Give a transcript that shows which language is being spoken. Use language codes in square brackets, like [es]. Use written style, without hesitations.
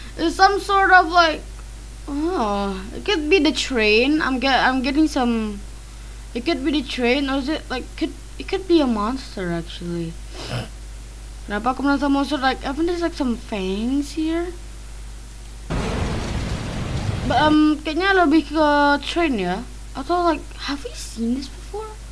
[en] It's some sort of like, oh, it could be the train. I'm getting some. It could be the train, or is it like it could be a monster actually. [id] Kenapa aku merasa monster? [en] Like, haven't there like some fangs here? [id] But kayaknya lebih ke train ya. [en] Atau like, have we seen this before?